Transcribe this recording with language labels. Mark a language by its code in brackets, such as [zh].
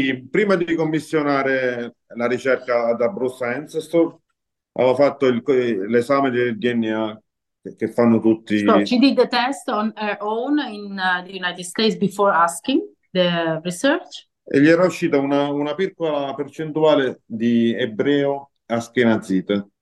[it] prima di commissionare la ricerca ad Abruzzo Ancestor, aveva fatto l'esame del DNA che fanno [en] So [it] tutti. [en] she did the test on her own in the United States before asking. The research. [it] E gli era uscita una piccola percentuale di ebreo Ashkenazite.